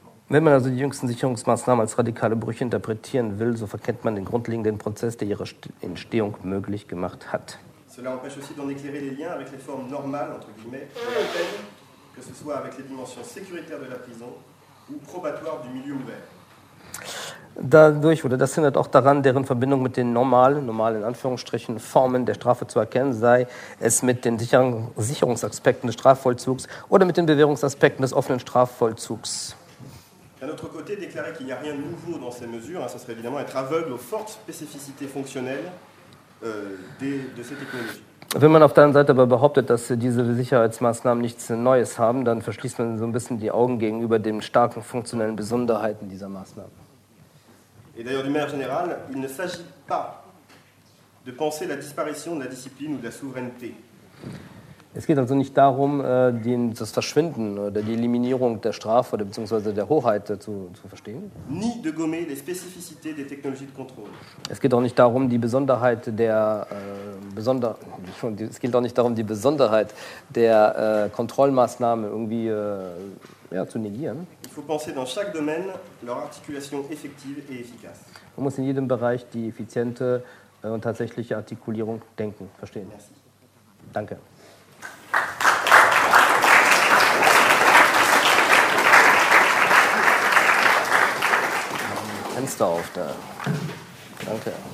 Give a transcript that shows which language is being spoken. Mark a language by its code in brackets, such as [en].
[de] Wenn man also die jüngsten Sicherungsmaßnahmen als radikale Brüche interpretieren will, so verkennt man den grundlegenden Prozess, der ihre Entstehung möglich gemacht hat. [fr] Cela empêche aussi d'en éclairer les liens avec les formes normales, entre guillemets, de la peine, que ce soit avec les dimensions sécuritaires de la prison ou probatoires du milieu ouvert. [de] Dadurch, oder das hindert auch daran, deren Verbindung mit den normalen in Anführungsstrichen, Formen der Strafe zu erkennen, sei es mit den Sicherungsaspekten des Strafvollzugs oder mit den Bewährungsaspekten des offenen Strafvollzugs. [fr] D'un autre côté, déclarer qu'il n'y a rien de nouveau dans ces mesures, ça serait évidemment être aveugle aux fortes spécificités fonctionnelles de ces technologies. [de] Wenn man auf der anderen Seite aber behauptet, dass diese Sicherheitsmaßnahmen nichts Neues haben, dann verschließt man so ein bisschen die Augen gegenüber den starken funktionellen Besonderheiten dieser Maßnahmen. [fr] Et d'ailleurs, d'une manière générale, il ne s'agit pas de penser la disparition de la discipline ou de la souveraineté. [de] Es geht also nicht darum, das Verschwinden oder die Eliminierung der Strafe oder beziehungsweise der Hoheit zu verstehen. [fr] Ni de gommer les spécificités des technologies de contrôle. [de] Es geht auch nicht darum, die Besonderheit der es geht auch nicht darum, die Besonderheit der Kontrollmaßnahme irgendwie zu negieren. [fr] Il faut penser dans chaque domaine leur articulation effective et efficace. [de] Man muss in jedem Bereich die effiziente und tatsächliche Artikulierung denken, verstehen. [fr] Merci. [de] Danke. Fenster auf da. Danke.